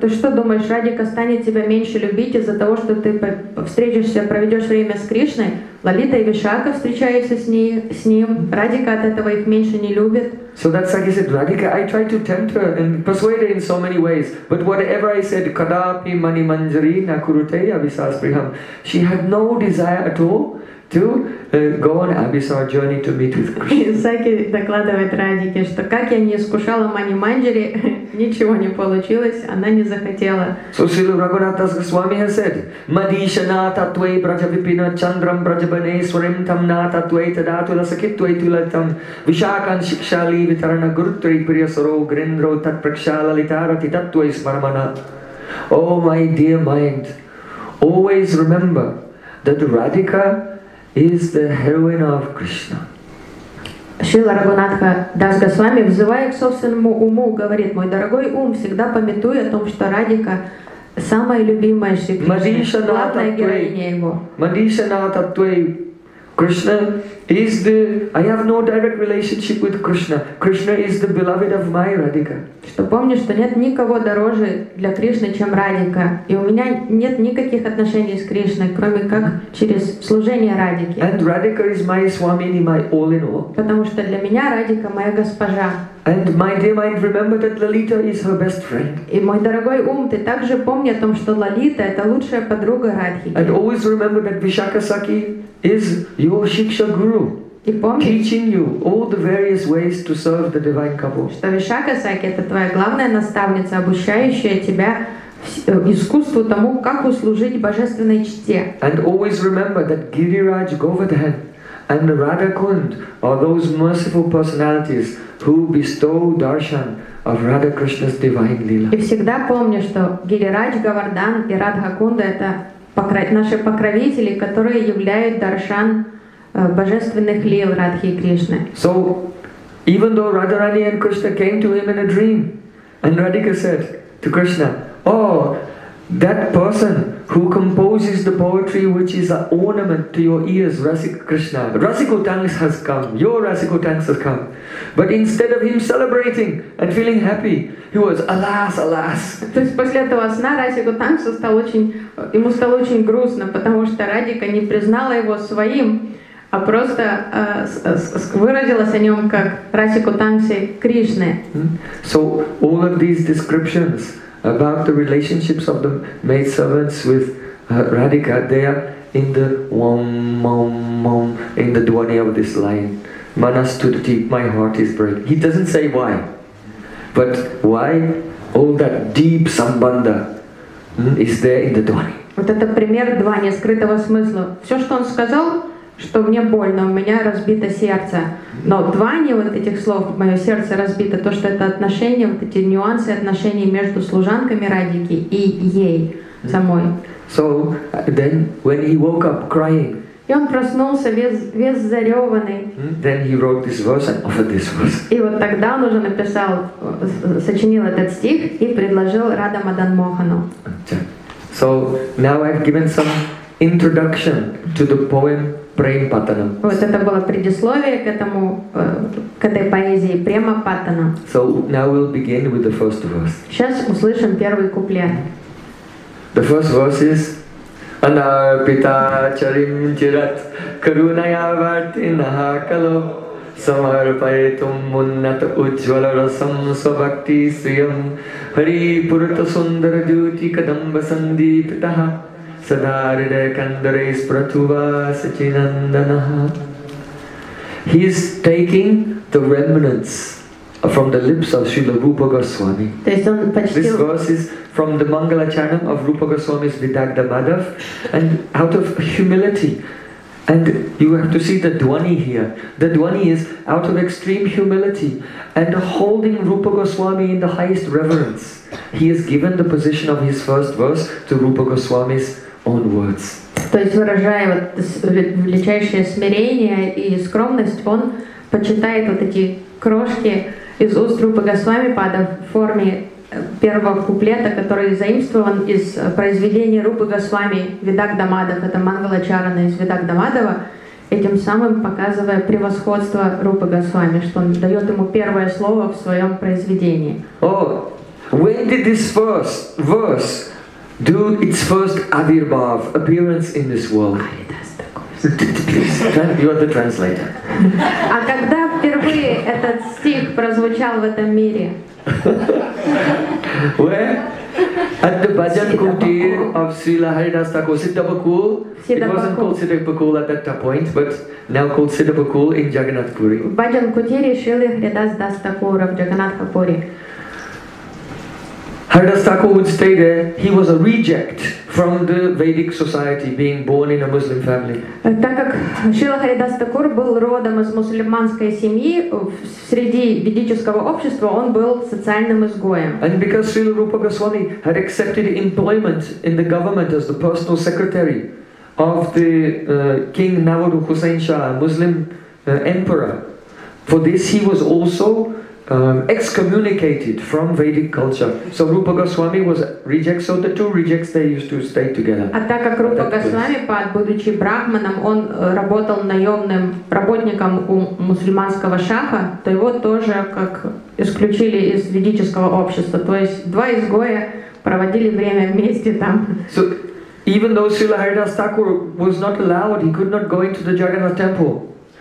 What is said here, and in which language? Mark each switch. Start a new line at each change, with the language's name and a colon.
Russian: Ты что думаешь, Радика станет тебя меньше любить из-за того, что ты встретишься, проведешь время с Кришной? Лалита и Вишака встречаются с ним, Радика от этого их меньше не любит.
English: So that Sakhi said, Radhika, I tried to tempt her and persuade her in so many ways, but whatever I said,
Sanskrit: kadapi mani manjari na kurute abhisaspriham.
English: She had no desire at all to go on Abhisar journey to meet with Krishna.
Russian: Сакхи докладывает Радике, что как я не искушала Мани Манджари, ничего не получилось, она не захотела.
Sanskrit: So Srila Raghunath Das Goswami has said, Madishana tatve brajavipina chandram brajabane swarim tam na tatve tadatula sakitve tulatam vishakan shikshali vitarana gurutri priyasaro grindro tat prakshala litarati tatve smaramana.
English: Oh my dear mind, always remember that Radhika is the heroine of Krishna.
Russian: Шрила Рагунатха Дас Госвами взывает к собственному уму, говорит, мой дорогой ум, всегда памятуй о том, что Радика самая любимая Шри Кришна, главная героиня его.
Sanskrit: Мадишана таттвей.
English: Krishna is the, I have no direct relationship with Krishna. Krishna is the beloved of my Radhika.
Russian: Что помню, что нет никого дороже для Кришны, чем Радика. И у меня нет никаких отношений с Кришной, кроме как через служение Радике.
English: And Radhika is my Swamini, my all in all.
Russian: Потому что для меня Радика моя госпожа.
English: And my dear mind, remember that Lalita is her best friend.
Russian: И мой дорогой ум, ты также помни о том, что Лалита это лучшая подруга Радхи.
English: And always remember that Vishakha Sakhi is your Shiksha Guru.
Russian: И помни,
English: teaching you all the various ways to serve the divine couple.
Russian: Что Вишакха Сакхи это твоя главная наставница, обучающая тебя искусству тому, как услужить божественной чте.
English: And always remember that Giriraj Govardhan and Radha Kund are those merciful personalities who bestow darshan of Radha Krishna's divine lila.
Russian: И всегда помню, что Гирирадж Говардан и Радха Кунда это наши покровители, которые являются даршан божественных лил Радхи и Кришны.
English: So, even though Radharani and Krishna came to him in a dream, and Radhika said to Krishna, Oh, that person who composes the poetry which is an ornament to your ears, Rasik Krishna, Rasikutangs has come, your Rasikutangs has come. But instead of him celebrating and feeling happy, he was, alas, alas.
Russian: То есть после этого сна Расикутангса ему стало очень грустно, потому что Радика не признала его своим, а просто выразилась о нем как Расикутангсе Кришны.
English: So all of these descriptions about the relationships of the maid servants with Radhika, they are in the om om om in the dwani of this line. Manas to the deep, my heart is bright. He doesn't say why, but why all that deep sambandha is there in the dwani.
Russian: Вот это пример двани скрытого смысла. Все, что он сказал, что мне больно, у меня разбито сердце. Но двани вот этих слов, мое сердце разбито, то, что это отношения, вот эти нюансы отношений между служанками Радики и ей самой.
English: So then when he woke up crying.
Russian: И он проснулся весь зареванный.
English: Then he wrote this verse and offered this verse.
Russian: И вот тогда он уже написал, сочинил этот стих и предложил Радха Мадан Мохану.
English: So now I've given some introduction to the poem Prempatanam.
Russian: Вот это было предисловие к этой поэзии Према Патана.
English: So now we'll begin with the first verse.
Russian: Сейчас услышим первый куплет.
Sanskrit: The first verse is Anarpita charim jirat karunaya vartinaha kalam samarpayetum munnat ujvalarasam svabhakti sriyam hari purta sundara jyoti kadamba sandipitaha sadharida kandare spratuva sachinandanaha.
English: He is taking the remnants from the lips of Srila Rupa Goswami. This verse is from the Mangalacharam of Rupa Goswami's Vidagdha Madhav. And out of humility, and you have to see the dwani here. The dwani is out of extreme humility and holding Rupa Goswami in the highest reverence. He has given the position of his first verse to Rupa Goswami's own words.
Russian: То есть выражая вот величайшее смирение и скромность, он почитает вот эти крошки из уст Рупы Госвами Пада в форме первого куплета, который заимствован из произведения Рупы Госвами Видагдха Мадхава, это Мангалачарана из Видагдха Мадхава, этим самым показывая превосходство Рупы Госвами, что он дает ему первое слово в своем произведении.
English: Oh, when did this verse do its first avirbhav, appearance in this world? Please, you are the translator.
Russian: А когда впервые этот стих прозвучал в этом мире?
English: Where? At the bhajan kutir of Srila Haridas Thakur, Siddha Bakul. It wasn't called Siddha Bakul at that point, but now called Siddha Bakul in Jagannath Puri. Bhajan kutir Srila Haridas Thakur of Jagannath Puri. Haridas Thakur would stay there. He was a reject from the Vedic society, being born in a Muslim family.
Russian: Так как Шрила Харидас Такур был родом из мусульманской семьи, среди ведического общества он был социальным изгоем.
English: And because Srila Rupa Goswami had accepted employment in the government as the personal secretary of the King Nawaruddin Hussain Shah, Muslim emperor, for this he was also excommunicated from Vedic culture. So Rupa Goswami was reject, so the two rejects, they used to stay together.
Russian: А так как Рупа Госвами Пад, будучи брахманом, он работал наемным работником у мусульманского шаха, то его тоже как исключили из ведического общества. То есть два изгоя проводили время вместе там.
English: So even though Srila Haridas Thakur was not allowed, he could not go into the Jagannath temple.